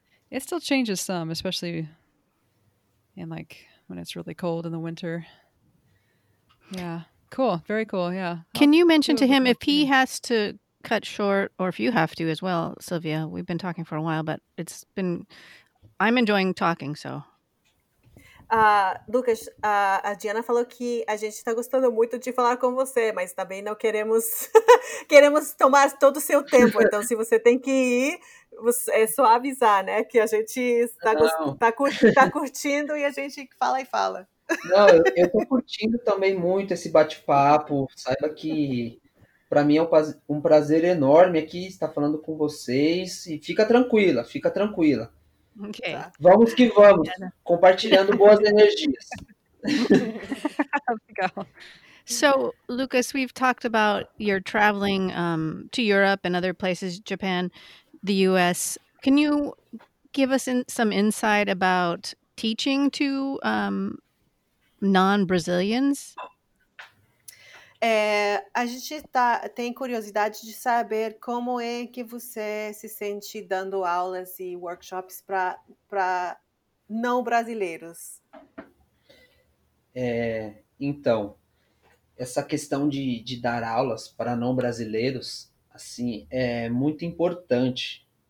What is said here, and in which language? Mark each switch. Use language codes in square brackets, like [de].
[en] It still changes some, especially in like when it's really cold in the winter. Yeah. Cool. Very cool. Yeah. Can you mention to him if he has to cut short, or if you have to as well, Sylvia? We've been talking for a while, but I'm enjoying talking, so. [pt] Lucas, a Diana falou que a gente está gostando muito de falar com você, mas também não queremos queremos tomar todo o seu tempo. Então, se você tem que ir, é só avisar, né? Que a gente está curtindo e a gente fala e fala. Não, eu estou curtindo também muito esse bate-papo. Saiba que para mim é um prazer enorme aqui estar falando com vocês. E fica tranquila. Ok. Tá. Vamos que vamos, Diana. Compartilhando boas energias. [en] So, Lucas, we've talked about your traveling to Europe and other places, Japan, the U.S. Can you give us some insight about teaching to non-Brazilians? [pt] A gente tem curiosidade de saber como é que você se sente dando aulas e workshops para não brasileiros. Então, essa questão de dar aulas para não brasileiros, assim, é muito importante.